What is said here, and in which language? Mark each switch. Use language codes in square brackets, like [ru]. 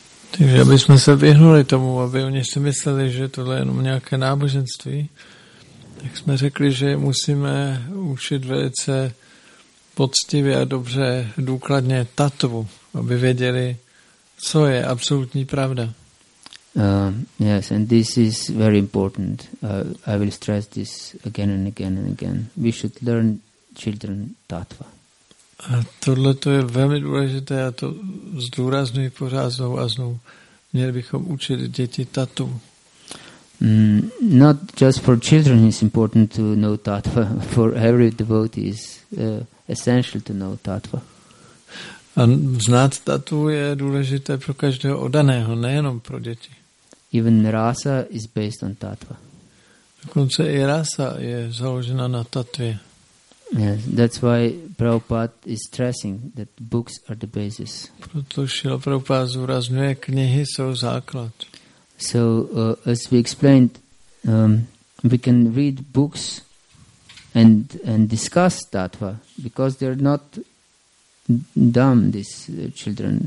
[cs] Takže abychom se vyhnuli tomu, aby oni si mysleli, že tohle je jenom nějaké náboženství, tak jsme řekli, že musíme učit velice poctivě a dobře důkladně tatvu, aby věděli, co je absolutní pravda. [en] Yes, and this is very important. I will stress this again and again and again. We should learn children tatva. [cs] A tohle to je velmi důležité, já to zdůrazňuji pořád znovu a znovu. Měli bychom učit děti tatvu. [en] Not just for children it's important to know tatva. For every devotee is essential to know tatva. [cs] A znát tatvu je důležité pro každého oddaného, nejenom pro děti. [en] Even rasa is based on tatva. [cs] Dokonce i rasa je založena na tatvě. [en] Yes, that's why Prabhupada is stressing that books are the basis. [cs] Proto Šila Prabhupada zdůrazňuje, knihy jsou základ. [en] So as we explained, we can read books and discuss tattva because they're not dumb, these children.